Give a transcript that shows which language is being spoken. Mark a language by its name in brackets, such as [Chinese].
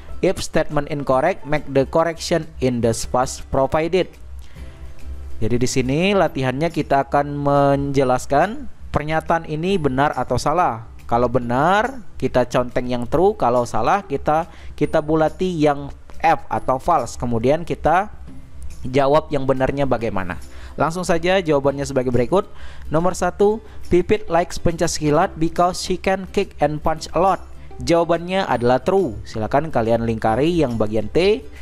[English] If statement incorrect, make the correction in the space provided. [Indonesian] Jadi di sini latihannya kita akan menjelaskan pernyataan ini benar atau salah. Kalau benar, kita conteng yang true. Kalau salah, kita bulati yang F atau false. Kemudian kita jawab yang benarnya bagaimana. Langsung saja jawabannya sebagai berikut. Nomor 1, [English] Pipit likes pencaksilat because she can kick and punch a lot. [Indonesian] Jawabannya adalah true. Silakan kalian lingkari yang bagian T.